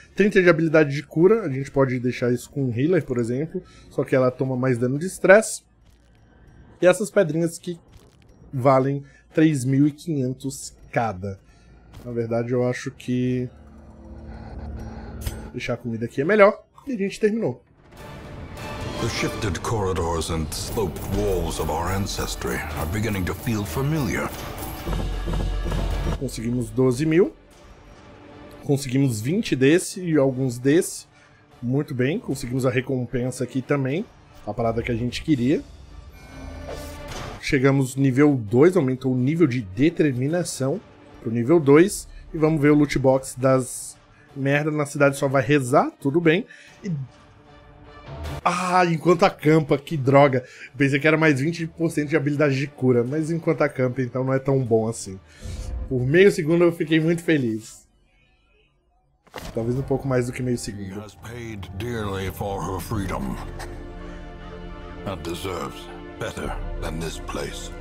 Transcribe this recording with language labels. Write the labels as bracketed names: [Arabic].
[Portuguese] 30 de habilidade de cura, a gente pode deixar isso com um healer, por exemplo. Só que ela toma mais dano de estresse. E essas pedrinhas que valem 3.500 cada. Na verdade, eu acho que... deixar a comida aqui é melhor. E a gente terminou. [English] The shifted corridors and sloped walls of our ancestry are beginning to feel familiar. [Portuguese] Conseguimos 12 mil. Conseguimos 20 desse e alguns desse. Muito bem, conseguimos a recompensa aqui também. A parada que a gente queria. Chegamos nível 2, aumentou o nível de determinação pro nível 2. E vamos ver o loot box das merdas na cidade, só vai rezar, tudo bem. E... ah, enquanto acampa, que droga. Pensei que era mais 20% de habilidade de cura, mas enquanto acampa, então não é tão bom assim. Por meio segundo eu fiquei muito feliz. Talvez um pouco mais do que meio segundo. [English] She has paid dearly for her freedom. And deserves better than this place.